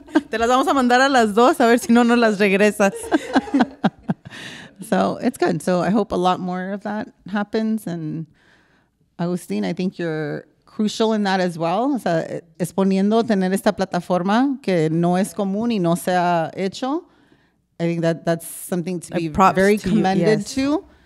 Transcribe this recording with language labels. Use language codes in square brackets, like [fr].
[es] te las vamos a mandar a las dos a ver si no las regresas. [en] So it's good, so I hope a lot more of that happens. And Agustín, I think you're crucial in that as well. [es] O sea, exponiendo tener esta plataforma que no es común y no se ha hecho. [en] I think that's something to be very commended to.